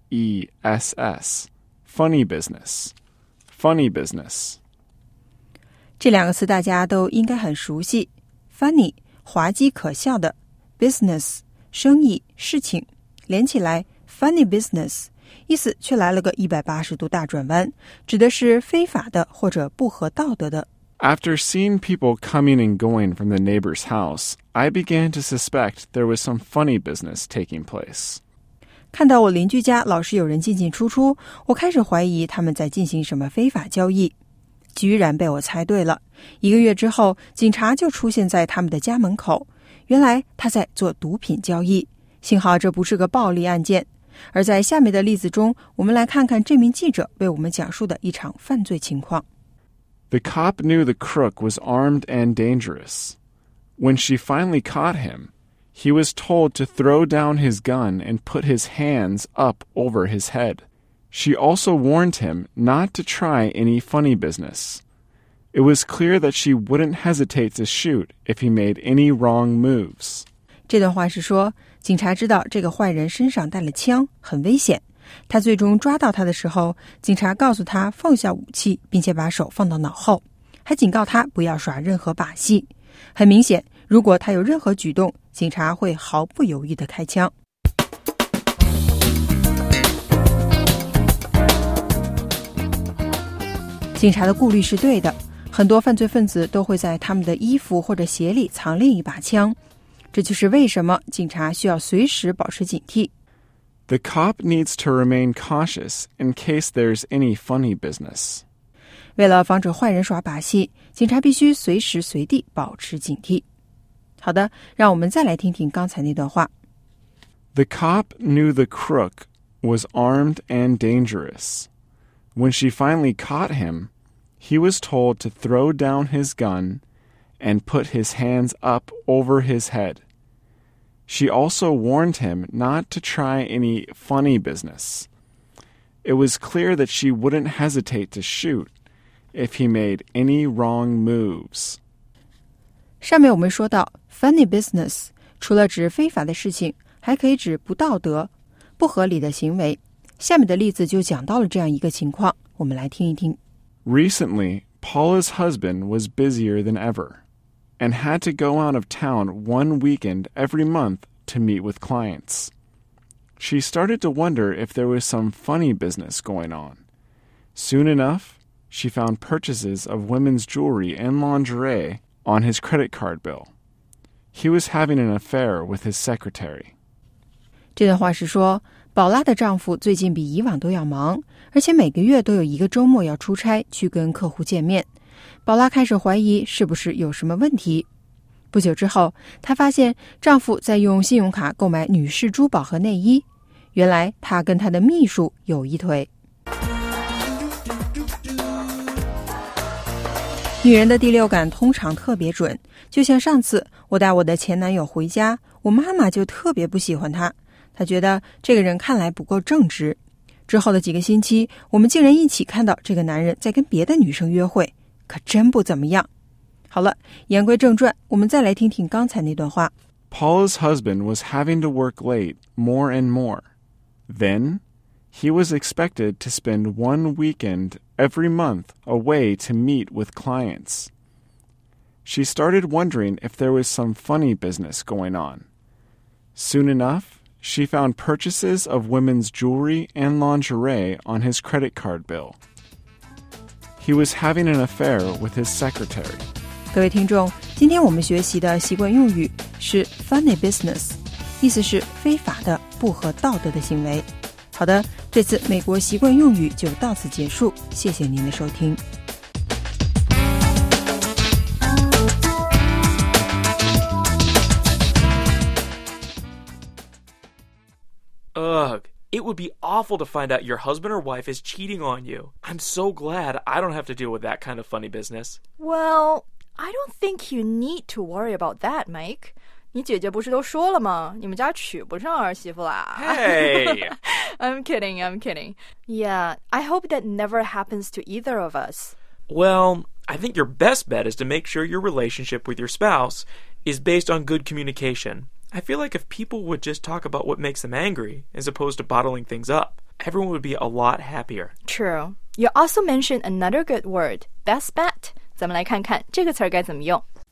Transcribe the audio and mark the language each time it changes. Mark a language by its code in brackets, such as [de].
[en] E-S-S, funny business, funny business. [zh] 这两个词大家都应该很熟悉。Funny, 滑稽可笑的。 Business, 生意、事情。连起来 ,funny business, 意思却来了个180度大转弯，指的是非法的或者不合道德的。 [en] After seeing people coming and going from the neighbor's house, I began to suspect there was some funny business taking place. [zh] 看到我邻居家老是有人进进出出，我开始怀疑他们在进行什么非法交易。居然被我猜对了。一个月之后，警察就出现在他们的家门口。原来他在做毒品交易。幸好这不是个暴力案件。而在下面的例子中，我们来看看这名记者为我们讲述的一场犯罪情况。 [en] The cop knew the crook was armed and dangerous. When she finally caught him,He was told to throw down his gun and put his hands up over his head. She also warned him not to try any funny business. It was clear that she wouldn't hesitate to shoot if he made any wrong moves. [zh] 这段话是说，警察知道这个坏人身上带了枪，很危险，他最终抓到他的时候，警察告诉他放下武器，并且把手放到脑后，还警告他不要耍任何把戏。很明显，如果他有任何举动，警察会毫不犹豫地开枪。警察的顾虑是对的，很多犯罪分子都会在他们的衣服或者鞋里藏另一把枪，这就是为什么警察需要随时保持警惕。 [en] The cop needs to remain cautious in case there's any funny business. [zh] 为了防止坏人耍把戏，警察必须随时随地保持警惕。好的，让我们再来听听刚才那段话。 [en] The cop knew the crook was armed and dangerous. When she finally caught him, he was told to throw down his gun and put his hands up over his head. She also warned him not to try any funny business. It was clear that she wouldn't hesitate to shoot if he made any wrong moves. [zh] 上面我们说到 funny business 除了指非法的事情，还可以指不道德、不合理的行为。下面的例子就讲到了这样一个情况，我们来听一听。 [en] Recently, Paula's husband was busier than ever. And had to go out of town one weekend every month to meet with clients. She started to wonder if there was some funny business going on. Soon enough, she found purchases of women's jewelry and lingerie on his credit card bill. He was having an affair with his secretary. [zh] 这段话是说，宝拉的丈夫最近比以往都要忙，而且每个月都有一个周末要出差去跟客户见面。宝拉开始怀疑是不是有什么问题。不久之后，她发现丈夫在用信用卡购买女士珠宝和内衣。原来她跟她的秘书有一腿。女人的第六感通常特别准，就像上次我带我的前男友回家，我妈妈就特别不喜欢他，她觉得这个人看来不够正直。之后的几个星期，我们竟然一起看到这个男人在跟别的女生约会。可真不怎么样。好了，言归正传，我们再来听听刚才那段话。 [en] Paula's husband was having to work late more and more. Then, he was expected to spend one weekend every month away to meet with clients. She started wondering if there was some funny business going on. Soon enough, she found purchases of women's jewelry and lingerie on his credit card bill. He was having an affair with his secretary. [zh] 各位听众，今天我们学习的习惯用语是 funny business， 意思是非法的、不合道德的行为。好的，这次美国习惯用语就到此结束，谢谢您的收听。 [en] It would be awful to find out your husband or wife is cheating on you. I'm so glad I don't have to deal with that kind of funny business. Well, I don't think you need to worry about that, Mike. [zh] 你姐姐不是都说了吗？你们家娶不上儿媳妇啦。 [en] Hey! I'm kidding. Yeah, I hope that never happens to either of us. Well, I think your best bet is to make sure your relationship with your spouse is based on good communication. I feel like if people would just talk about what makes them angry, as opposed to bottling things up, everyone would be a lot happier. True. You also mentioned another good word, best bet. [zh] 咱们来看看这个词该怎么用。